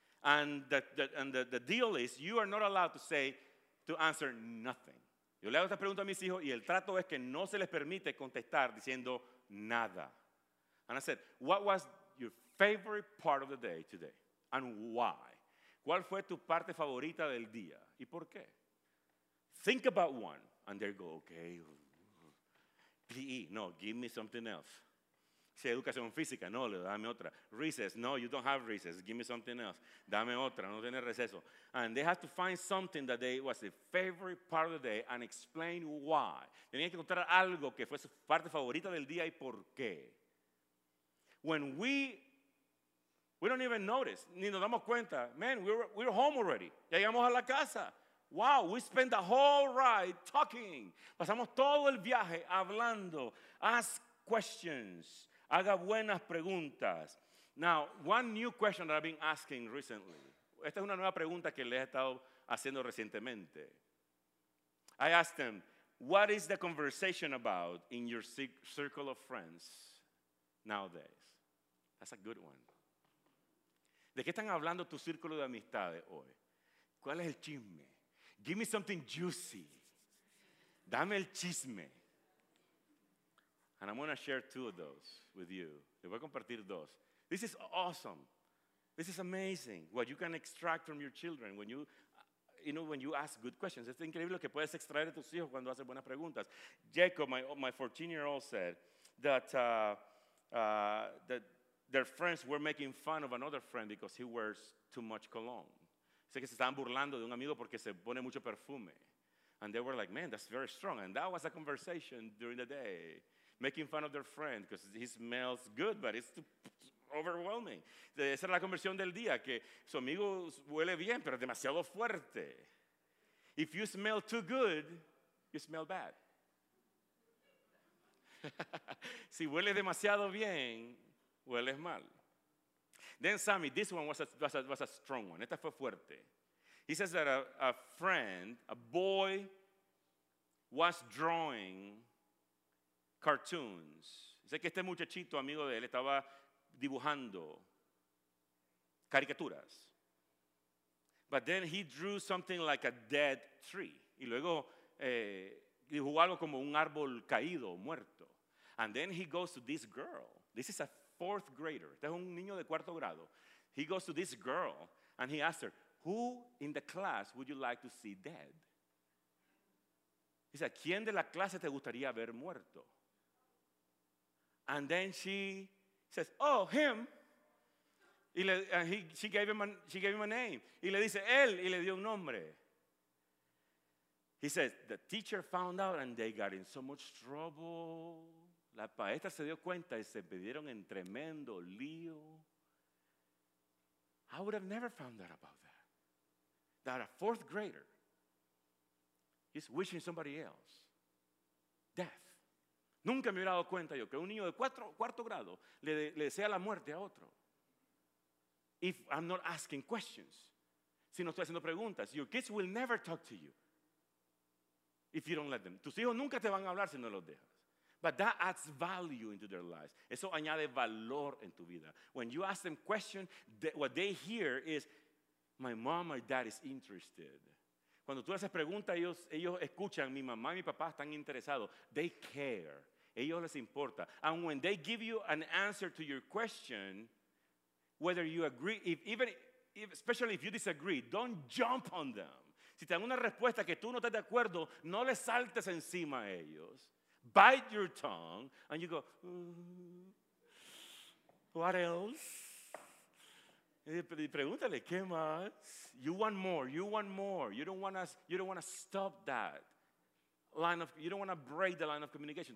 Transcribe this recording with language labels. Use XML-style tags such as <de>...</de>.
<en>And the deal is, you are not allowed to say, to answer nothing.</en> <es>Yo le hago esta pregunta a mis hijos y el trato es que no se les permite contestar diciendo nada.</es> <en>And I said, what was your favorite part of the day today? And why?</en> <es>¿Cuál fue tu parte favorita del día? ¿Y por qué?</es> <en>Think about one. And they go, okay, PE, no, give me something else.</en> <es>Si educación física, no, dame otra.</es> <en>Recess, no, you don't have recess, give me something else.</en> <es>Dame otra, no tiene receso.</es> <en>And they have to find something that they was their favorite part of the day and explain why.</en> <es>Tenían que encontrar algo que fue su parte favorita del día y por qué.</es> <en>when we don't even notice,</en> <es>ni nos damos cuenta,</es> <en>man, we're home already.</en> <es>Ya llegamos a la casa.</es> <en>Wow, we spent the whole ride talking.</en> <es>Pasamos todo el viaje hablando.</es> <en>Ask questions.</en> <es>Haga buenas preguntas.</es> <en>Now, one new question that I've been asking recently.</en> <es>Esta es una nueva pregunta que les he estado haciendo recientemente.</es> <en>I asked them, what is the conversation about in your circle of friends nowadays? That's a good one.</en> <es>¿De qué están hablando tu círculo de amistades hoy? ¿Cuál es el chisme?</es> <en>Give me something juicy.</en> <es>Dame el chisme.</es> <en>And I'm going to share two of those with you.</en> <es>Les voy a compartir dos.</es> <en>This is awesome. This is amazing. What you can extract from your children when you ask good questions.</en> <es>Es increíble lo que puedes extraer de tus hijos cuando haces buenas preguntas.</es> <en>Jacob, my 14-year-old, said that that their friends were making fun of another friend because he wears too much cologne.</en> <es>Sé que se estaban burlando de un amigo porque se pone mucho perfume.</es> <en>And they were like, man, that's very strong. And that was a conversation during the day, making fun of their friend because he smells good, but it's too overwhelming.</en> <es>Esa era la conversión del día, que su amigo huele bien, pero demasiado fuerte.</es> <en>If you smell too good, you smell bad.</en> <es>Si huele demasiado bien, hueles mal.</es> <en>Then Sammy, this one was a strong one.</en> <es>Esta fue fuerte.</es> <en>He says that a friend, a boy, was drawing cartoons.</en> <es>Dice que este muchachito, amigo de él, estaba dibujando caricaturas.</es> <en>But then he drew something like a dead tree.</en> <es>Y luego dibujó algo como un árbol caído, muerto.</es> <en>And then he goes to this girl. This is a fourth grader.</en> <es>Este es un niño de cuarto grado.</es> <en>He goes to this girl and he asks her, who in the class would you like to see dead? He said,</en> <es>¿quién de la clase te gustaría ver muerto?</es> <en>And then she says, oh, him. She gave him a name.</en> <es>Y le dice, él, y le dio un nombre.</es> <en>He says, the teacher found out and they got in so much trouble.</en> <es>La maestra se dio cuenta y se metieron en tremendo lío.</es> <en>I would have never found out about that. That a fourth grader is wishing somebody else death.</en> <es>Nunca me hubiera dado cuenta yo que un niño de cuarto grado le desea la muerte a otro.</es> <en>If I'm not asking questions.</en> <es>Si no estoy haciendo preguntas.</es> <en>Your kids will never talk to you if you don't let them.</en> <es>Tus hijos nunca te van a hablar si no los dejas.</es> <en>But that adds value into their lives.</en> <es>Eso añade valor en tu vida.</es> <en>When you ask them questions, what they hear is, my mom, my dad is interested.</en> <es>Cuando tú haces preguntas, ellos escuchan, mi mamá y mi papá están interesados.</es> <en>They care.</en> <es>Ellos les importa.</es> <en>And when they give you an answer to your question, whether you agree, especially if you disagree, don't jump on them.</en> <es>Si te dan una respuesta que tú no estás de acuerdo, no les saltes encima a ellos.</es> <en>Bite your tongue and you go, what else?</en> <es>Y pregúntale, ¿qué más?</es> <en>You want more, you want more. You don't want to stop that line of, you don't want to break the line of communication.</en>